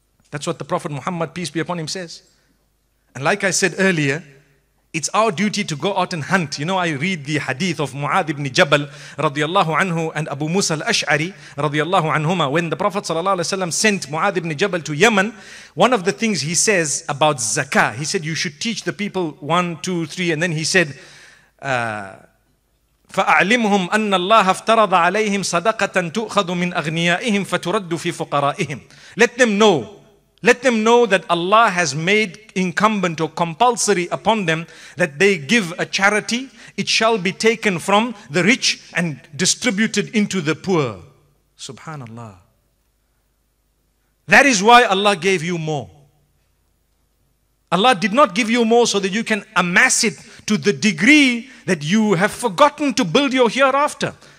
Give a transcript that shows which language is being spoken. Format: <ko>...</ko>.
<en>That's what the Prophet Muhammad, peace be upon him, says. And like I said earlier, it's our duty to go out and hunt. You know, I read the hadith of Mu'adh ibn Jabal radiallahu anhu and Abu Musa al-Ash'ari radiallahu anhuma. When the Prophet sallallahu alayhi wa sallam sent Mu'adh ibn Jabal to Yemen, one of the things he says about zakah, he said, you should teach the people 1, 2, 3. And then he said,</en> <ar>فَأَعْلِمْهُمْ أَنَّ اللَّهَ افْتَرَضَ عَلَيْهِمْ صَدَقَةً تُؤْخَذُ مِنْ أَغْنِيَائِهِمْ فَتُرَدُّ فِي فُقَرَائِهِمْ.</ar> <en>Let them know that Allah has made incumbent or compulsory upon them that they give a charity. It shall be taken from the rich and distributed into the poor. Subhanallah. That is why Allah gave you more. Allah did not give you more so that you can amass it to the degree that you have forgotten to build your hereafter.</en>